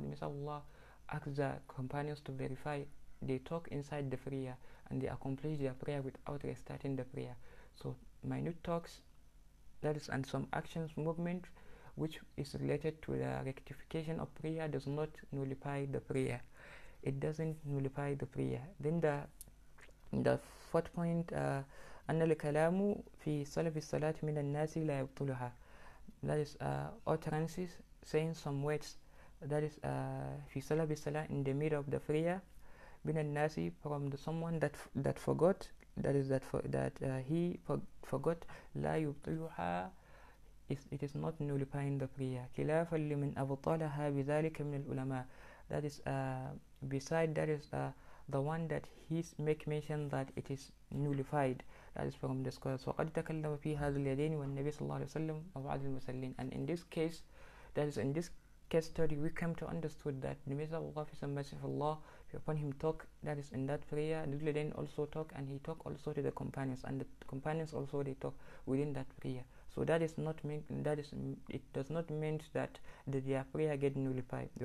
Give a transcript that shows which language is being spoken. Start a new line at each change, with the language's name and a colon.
English: The Messenger of Allah asks the companions to verify, they talk inside the prayer and they accomplish their prayer without restarting the prayer. So minute talks, that is, and some actions, movement, which is related to the rectification of prayer, does not nullify the prayer. it doesn't nullify the prayer. Then the fourth point,
Arabic: أن الكلام في سلف الصلاة من الناس لا يبطلها.
English: That is utterances, saying some words, that is
Arabic: في سلف الصلاة,
English: in the middle of the prayer,
Arabic: من الناس,
English: from the someone that forgot, that is that he forgot,
Arabic: لا يبطلها,
English: it is not nullifying the prayer.
Arabic: خلافا لمن أبطلها بذلك من العلماء.
English: That is beside that is the one that he make mention that it is nullified. That is from the scholars.
Arabic: وقد تكلم في هذا اليدين والنبي صلى الله عليه وسلم وبعض المسلين.
English: And in this case, that is in this case study, we come to understood that the Messenger of Allah peace and mercy of Allah upon him talk. That is in that prayer, the Uladin also talk, and he talk also to the companions, and the companions also they talk within that prayer. So that is not mean, that is it does not mean that the their prayer get nullified.